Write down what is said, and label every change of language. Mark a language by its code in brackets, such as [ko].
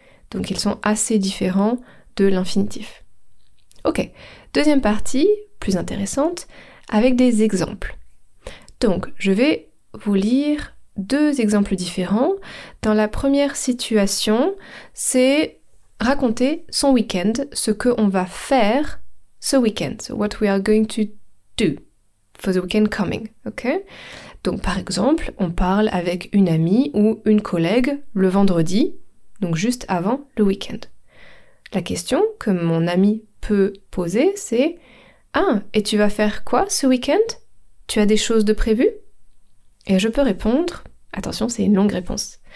[fr] Donc ils sont assez différents de l'infinitif. Ok, deuxième partie, plus intéressante, avec des exemples. Donc je vais vous lire deux exemples différents. Dans la première situation, c'est raconter son week-end, ce qu'on va faire ce week-end. [en] So what we are going to do for the weekend coming, ok? [fr] Donc par exemple, on parle avec une amie ou une collègue le vendredi, donc juste avant le week-end. La question que mon ami peut poser, c'est « Ah, et tu vas faire quoi ce week-end? Tu as des choses de prévu ?» Et je peux répondre, attention, c'est une longue réponse.